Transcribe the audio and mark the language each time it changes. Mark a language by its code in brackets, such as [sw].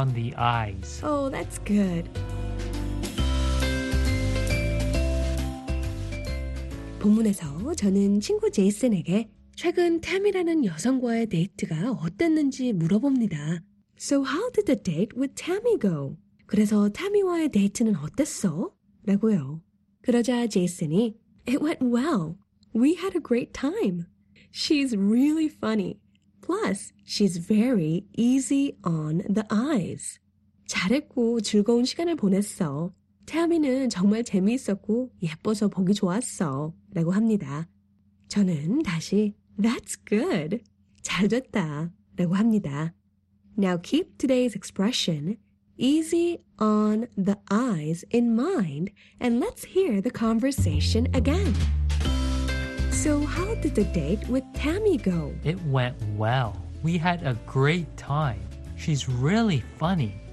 [en] What does it mean to be easy on the eyes? Well, let's find out, but first we will listen to today's conversation. Listen carefully. So how did the date with Tammy go? It went well. We had a great time. She's really funny, plus she's very easy on the eyes. Oh, that's good. [ko] 본문에서 저는 친구 제이슨에게 최근 태미라는 여성과의 데이트가 어땠는지 물어봅니다. [en] So how did the date with Tammy go? [ko] 그래서 태미와의 데이트는 어땠어? 라고요. 그러자 제이슨이 [en] It went well. We had a great time. She's really funny. Plus, she's very easy on the eyes. [ko] 잘했고 즐거운 시간을 보냈어. 태미는 정말 재미있었고 예뻐서 보기 좋았어. 라고 합니다. 저는 다시 [en] That's good. [ko] 잘 됐다. 라고 합니다. [en] Now keep today's expression easy on the eyes in mind and let's hear the conversation again. So how did the date with Tammy go? It went well. We had a great time. She's really funny.